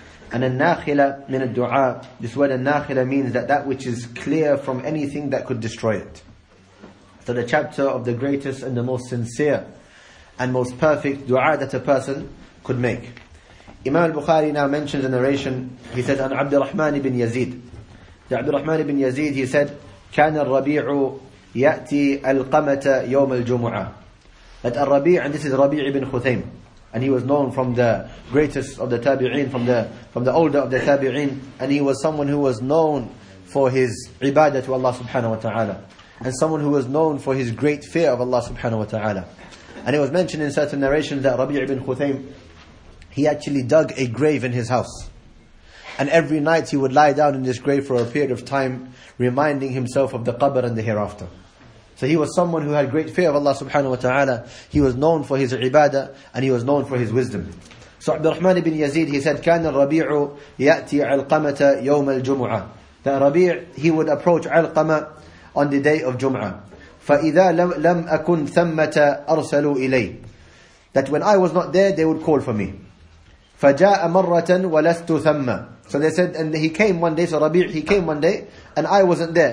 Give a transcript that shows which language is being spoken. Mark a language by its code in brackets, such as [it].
[en] And al-Nakhila min al-Dua, this word al-Nakhila means that which is clear from anything that could destroy it. So the chapter of the greatest and the most sincere and most perfect dua that a person could make. Imam al-Bukhari now mentions a narration. He says, an Abdul Rahman ibn Yazid. The Abdul Rahman ibn Yazid, he said, [ar] كان الربيع يأتي القمة يوم الجمعة. [en] That الربيع, and this is Rabi ibn Khuthaym, and he was known from the greatest of the Tabi'in, from the older of the Tabi'in, and he was someone who was known for his ibadah to Allah subhanahu wa ta'ala, and someone who was known for his great fear of Allah subhanahu wa ta'ala. And it was mentioned in certain narrations that Rabi ibn Khuthaym, he actually dug a grave in his house. And every night he would lie down in this grave for a period of time, reminding himself of the qabr and the hereafter. So he was someone who had great fear of Allah subhanahu wa ta'ala. He was known for his ibadah and he was known for his wisdom. So Abdul Rahman ibn Yazid, he said, [ar] كان الربيع يأتي علقمة يوم الجمعة. [en] That Rabi, he would approach علقمة on the day of Jum'ah. [ar] فَإِذَا لَمْ أَكُنْ ثَمَّةَ أَرْسَلُوا إِلَيْهِ. [en] That when I was not there, they would call for me. [ar] فَجَاءَ مَرَّةً وَلَسْتُ ثَمَّ. [en] So they said, and he came one day, so Rabi' he came one day, and I wasn't there.